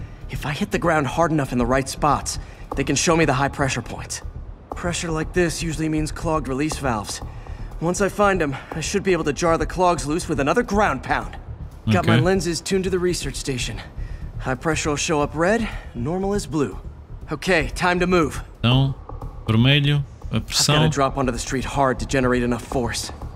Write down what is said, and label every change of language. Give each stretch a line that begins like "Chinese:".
English: If I hit the ground hard enough in the right spots, they can show me the high pressure points. Pressure like this usually means clogged release valves. Once I find them, I should be able to jar the clogs loose with another ground pound. Okay. Got my lenses tuned to the research station. High pressure will show up red, normal is blue. Okay, time to move.
Portuguese: Então, vermelho, a pressão.
English: I've got to drop onto the street hard to generate enough force.